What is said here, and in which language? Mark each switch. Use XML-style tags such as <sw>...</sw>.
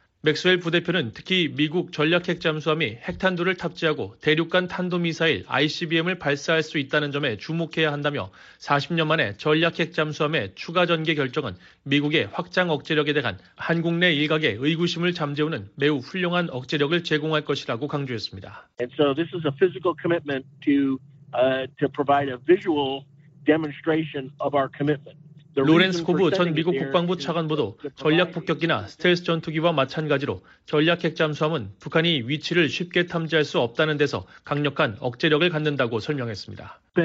<ko>맥스웰 부대표는 특히 미국 전략핵 잠수함이 핵탄두를 탑재하고 대륙간 탄도미사일 ICBM을 발사할 수 있다는 점에 주목해야 한다며 40년 만에 전략핵 잠수함의 추가 전개 결정은 미국의 확장 억제력에 대한 한국 내 일각의 의구심을 잠재우는 매우 훌륭한 억제력을 제공할 것이라고 강조했습니다.</ko> <en>And so this is a physical commitment to provide a visual demonstration of our commitment.</en> <ko>로렌스 코브 전 미국 국방부 차관보도 전략 폭격기나 스텔스 전투기와 마찬가지로 전략 핵 잠수함은 북한이 위치를 쉽게 탐지할 수 없다는 데서 강력한 억제력을 갖는다고 설명했습니다.</ko>